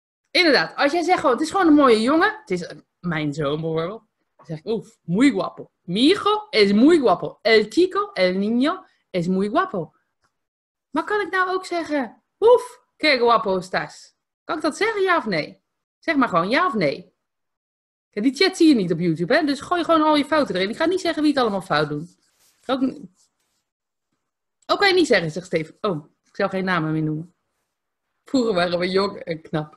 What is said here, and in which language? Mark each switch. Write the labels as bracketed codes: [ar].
[nl] Inderdaad, als jij zegt gewoon, het is gewoon een mooie jongen. Het is mijn zoon bijvoorbeeld. Dan zeg ik, oef, [es] muy guapo. Mi hijo es muy guapo. El chico, el niño, es muy guapo. [nl] Maar kan ik nou ook zeggen, oef, [es] qué guapo estás. [nl] Kan ik dat zeggen, ja of nee? Zeg maar gewoon, ja of nee. Ja, die chat zie je niet op YouTube, hè? Dus gooi gewoon al je fouten erin. Ik ga niet zeggen wie het allemaal fout doet. Ook kan je niet zeggen, zegt Steven. Oh, ik zal geen namen meer noemen. Vroeger waren we jong en knap.